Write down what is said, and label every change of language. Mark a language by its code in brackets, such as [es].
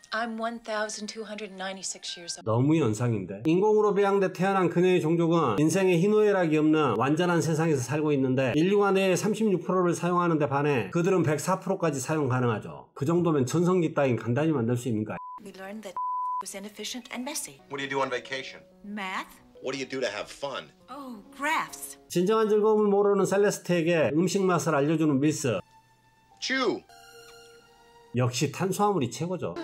[en] I'm 1296 years old. [ko] 너무 연상인데? 인공으로 배양돼 태어난 그녀의 종족은 인생에 희노애락이 없는 완전한 세상에서 살고 있는데 인류가 뇌의 36%를 사용하는 데 반해 그들은 104%까지 사용 가능하죠. 그 정도면 전성기 따윈 간단히 만들 수 있는가? [en] We learned that was inefficient and messy. What do you do on vacation? Math. What do you do to have fun? Oh, graphs. [ko] 진정한 즐거움을 모르는 셀레스트에게 음식 맛을 알려주는 밀스. [en] Chew. [ko] 역시 탄수화물이 최고죠.